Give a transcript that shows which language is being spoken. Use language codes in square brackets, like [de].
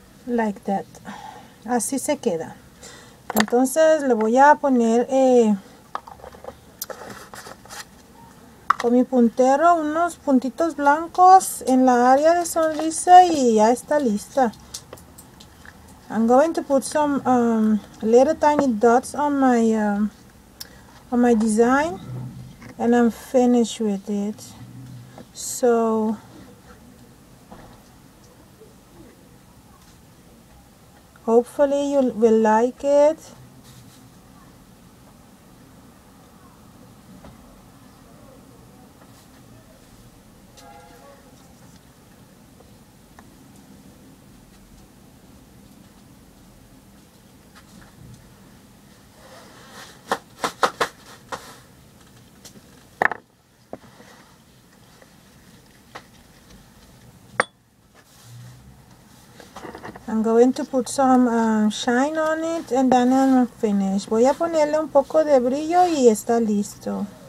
[en] like that, [es] así se queda. Entonces le voy a poner con mi puntero unos puntitos blancos en la área de sonrisa y ya está lista. [en] I'm going to put some little tiny dots on my design and I'm finished with it. So hopefully you will like it. I'm going to put some shine on it and then I'm finished. [es] Voy a ponerle un poco de brillo y está listo.